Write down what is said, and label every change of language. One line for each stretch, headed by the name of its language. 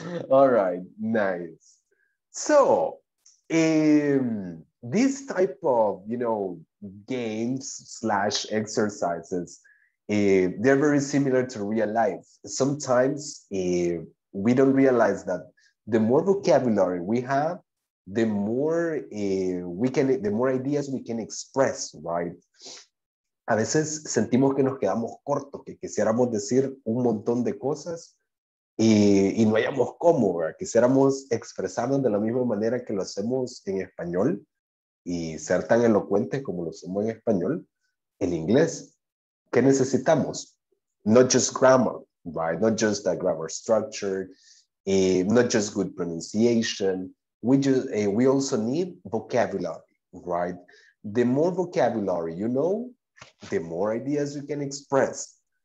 English: All right, nice. So this type of, you know, games / exercises, they're very similar to real life. Sometimes we don't realize that the more vocabulary we have, the more ideas we can express, right?
Spanish: A veces sentimos que nos quedamos cortos, que quisiéramos decir un montón de cosas y no hayamos cómo, ¿verdad? Quisiéramos expresarnos de la misma manera que lo hacemos en español y ser tan elocuentes como lo somos en español, en inglés. ¿Qué necesitamos?
English: Not just grammar, right? Not just a grammar structure, not just good pronunciation. We also need vocabulary, right? The more vocabulary you know, the more ideas you can express.